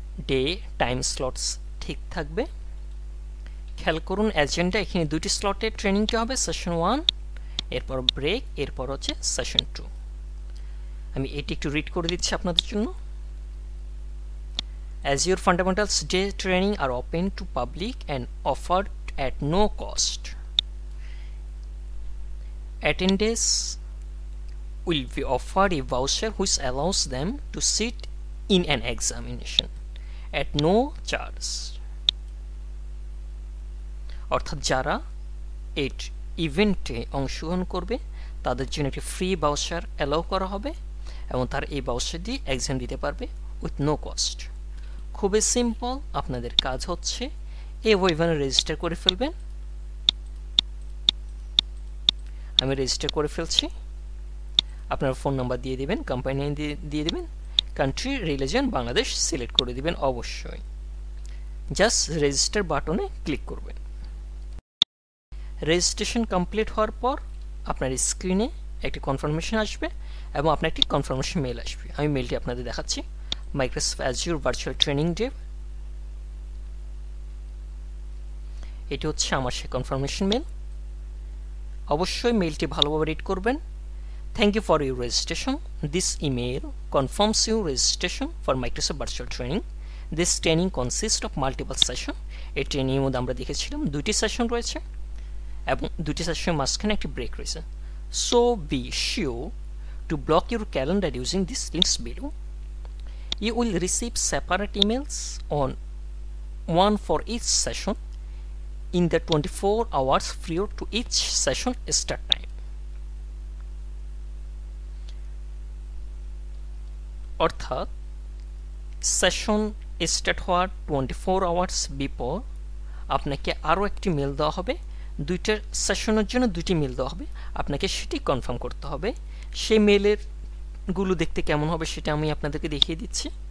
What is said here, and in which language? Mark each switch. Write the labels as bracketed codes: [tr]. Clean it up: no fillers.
[bn] Day time slots ঠিক থাকবে, খেয়াল করুন এজেন্ডা এখানে দুটি স্লটে ট্রেনিংটি হবে, সেশন 1, এরপর ব্রেক, এরপর হচ্ছে সেশন 2। আমি এটি একটু রিড করে দিচ্ছি আপনাদের জন্য। [en] Azure fundamentals day training are open to public and offered at no cost. Attendees will be offered a voucher which allows them to sit in an examination at no charge. [bn] অর্থাৎ যারা এট ইভেন্টে অংশগ্রহণ করবে তাদের জন্য একটি ফ্রি ভাউচার অ্যালাউ করা হবে এবং তার এই ভাউচার দিয়ে এক্সাম দিতে পারবে [en] With no cost. [bn] খুবই সিম্পল, আপনাদের কাজ হচ্ছে এই ওয়েবিনার রেজিস্টার করে ফেলবেন। আমি রেজিস্টার করে ফেলছি, আপনার ফোন নাম্বার দিয়ে দেবেন, কোম্পানি নেম দিয়ে দেবেন, কান্ট্রি রিলিজন বাংলাদেশ সিলেক্ট করে দিবেন অবশ্যই, জাস্ট রেজিস্টার বাটনে ক্লিক করবেন। রেজিস্ট্রেশন কমপ্লিট হওয়ার পর আপনার স্ক্রিনে একটি কনফার্মেশন আসবে এবং আপনার একটি কনফার্মেশন মেল আসবে। আমি মেলটি আপনাদের দেখাচ্ছি, Microsoft Azure virtual training day, এটি হচ্ছে আমার সেই কনফার্মেশন মেল। অবশ্যই মেইলটি ভালোভাবে রিড করবেন। [en] Thank you for your registration, this email confirms your registration for Microsoft virtual training, This training consists of multiple session. [bn] A training mode আমরা দেখেছিলাম দুটি session রয়েছে এবং দুটি session মাঝখানে একটি break রয়েছে. [en] So be sure to block your calendar using these links below. You will receive separate emails on one for each session in the 24 hours prior to each session start time. [bn] অর্থাৎ session start হওয়ার 24 hours before আপনাকে আরও একটি mail দেওয়া হবে, দুইটার সেশনের জন্য দুইটি মেল দেওয়া হবে, আপনাকে সেটি কনফার্ম করতে হবে. সেই মেলের গুলো দেখতে কেমন হবে সেটা আমি আপনাদেরকে দেখিয়ে দিচ্ছি.